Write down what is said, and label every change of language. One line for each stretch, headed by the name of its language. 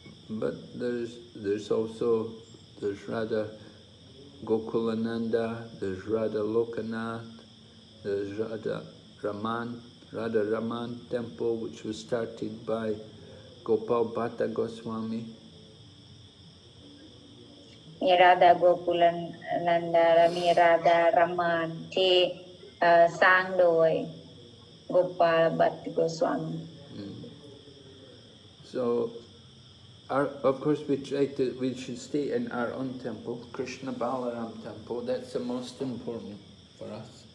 English: But there's also there's Radha Gokulananda, there's Radha Lokanath, there's Radha Raman temple which was started by Gopal Bhatta Goswami.
Thai: มีราดาโกคุลันนันดาและมีราดารามานที่สร้างโดยโกปาลบัตติโกสวามี
English: So our, of course we should stay in our own temple Krishna Balaram temple that's the most important for us